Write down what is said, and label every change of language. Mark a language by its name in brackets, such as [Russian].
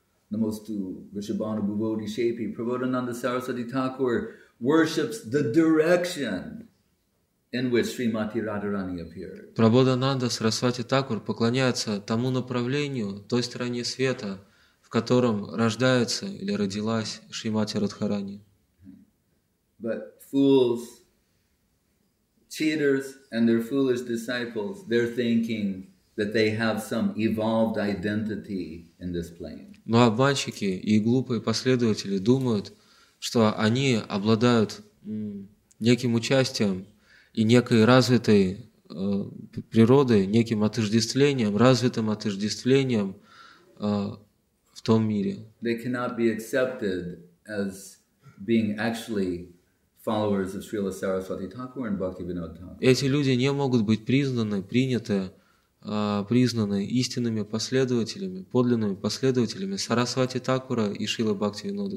[English] Намасту Вишабана Бхуводи Шепи Прабодхананда Сарасвати Такур worships the direction in which Шримати Радхарани appeared. [Russian] Прабодхананда Сарасвати Такур поклоняется тому направлению, той стороне света, в котором рождается или родилась Шримати Радхарани. [English] But fools, cheaters and their foolish disciples, they're thinking that they have some evolved identity in this plane. [Russian] Но обманщики и глупые последователи думают, что они обладают неким участием и некой развитой природой, неким отождествлением, развитым отождествлением в том мире. [English] They cannot be accepted as being actually followers of Srila Sarasvati Thakur and Bhaktivinoda Thakur. [Russian] Эти люди не могут быть признаны, приняты признаны истинными последователями, подлинными последователями Сарасвати Такура и Шрилы Бхактивинода